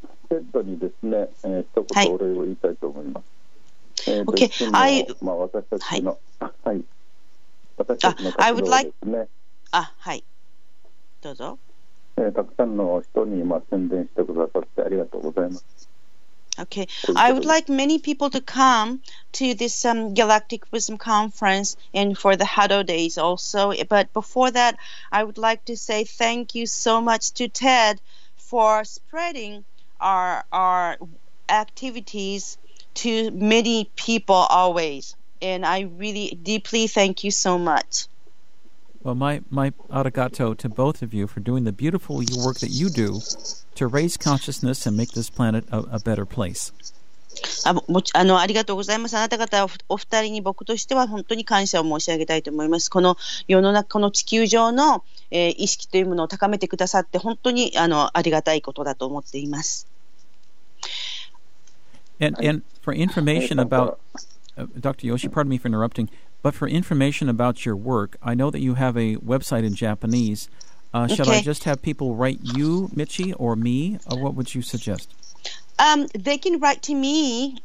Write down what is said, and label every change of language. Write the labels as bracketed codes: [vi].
[ja] テッドにですね、一言お礼を言いたいと思います。はい、 [en] okay. [ja] まあ、私たちの、はい、はい、私たちの活動ですね。あ、はい、どうぞ。たくさんの人に、まあ、宣伝してくださってありがとうございます。 [en] Okay, I would like many people to come to this Galactic Wisdom Conference and for the Hado Days also. But before that, I would like to say thank you so much to Ted for spreading our activities to many people always. And I really deeply thank you so much. Well, my arigato to both of you for doing the beautiful work that you do. To raise consciousness and make this planet a better place. [ja] ありがとうございます。あなた方お二人に僕としては本当に感謝を申し上げたいと思います。この世の中、この地球上の、意識というものを高めてくださって本当にありがたいことだと思っています。 [en] And for information about Dr. Yoshi, pardon me for interrupting, but for information about your work, I know that you have a website in Japanese. Shall I just have people write you, Michi, or me? Or what would you suggest? They can write to me.